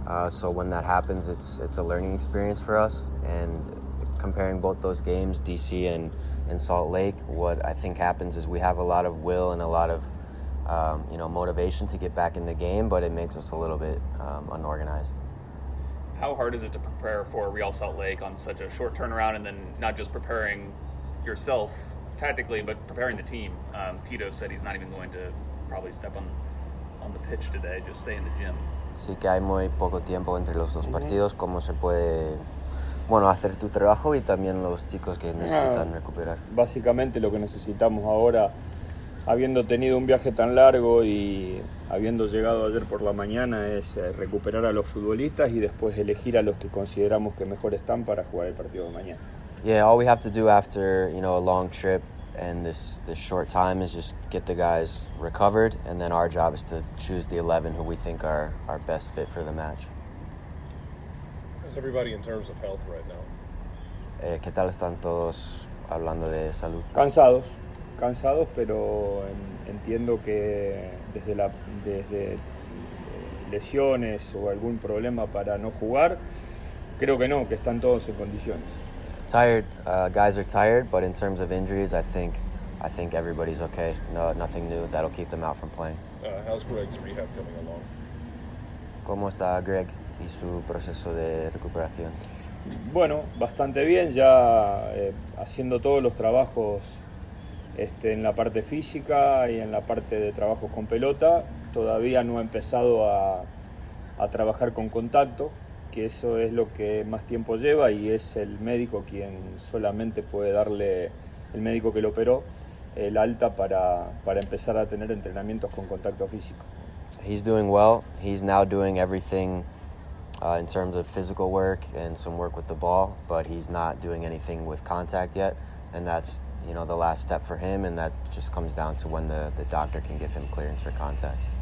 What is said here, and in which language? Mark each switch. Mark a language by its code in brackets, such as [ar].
[en] So when that happens, it's a learning experience for us. And comparing both those games, DC and Salt Lake, what I think happens is we have a lot of will and a lot of motivation to get back in the game, but it makes us a little bit unorganized. How hard is it to prepare for Real Salt Lake on such a short turnaround, and then not just preparing yourself tactically, but preparing the team? Tito said he's not even going to probably step on the pitch today, just stay in the gym. [es] Sí, que hay muy poco tiempo entre los dos partidos. ¿Cómo se puede, hacer tu trabajo y también los chicos que necesitan recuperar? Básicamente lo que necesitamos ahora, habiendo tenido un viaje tan largo y habiendo llegado ayer por la mañana, es recuperar a los futbolistas y después elegir a los que consideramos que mejor están para jugar el partido de mañana. [en] Yeah, all we have to do after, a long trip and this short time is just get the guys recovered, and then our job is to choose the 11 who we think are our best fit for the match. How's everybody in terms of health right now? [es] ¿Qué tal están todos hablando de salud? Cansados, pero entiendo que desde lesiones o algún problema para no jugar, creo que no, que están todos en condiciones. [en] Tired, guys are tired, but in terms of injuries, I think everybody's okay. No, nothing new that'll keep them out from playing. How's Greg's rehab coming along? [es] ¿Cómo está Greg y su proceso de recuperación? Bueno, bastante bien, ya haciendo todos los trabajos en la parte física y en la parte de trabajos con pelota. Todavía no ha empezado a trabajar con contacto, que eso es lo que más tiempo lleva, y es el médico quien solamente puede darle, el médico que lo operó, el alta para empezar a tener entrenamientos con contacto físico. [en] He's doing well. He's now doing everything in terms of physical work and some work with the ball, but he's not doing anything with contact yet, and that's, the last step for him, and that just comes down to when the doctor can give him clearance for contact.